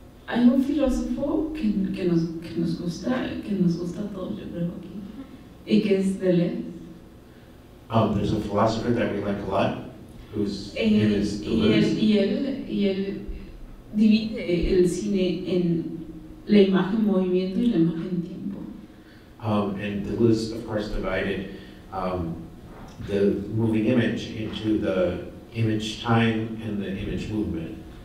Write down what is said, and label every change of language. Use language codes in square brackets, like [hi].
[es] Hay un filósofo que nos gusta, que nos gusta a todos, yo creo, aquí. Y que es Deleuze. [en] Oh, there's a philosopher that we like a lot. [es] Y él divide el cine en la imagen movimiento y la imagen tiempo. [en] And Deleuze, of course, divided the moving image into the image time and the image movement.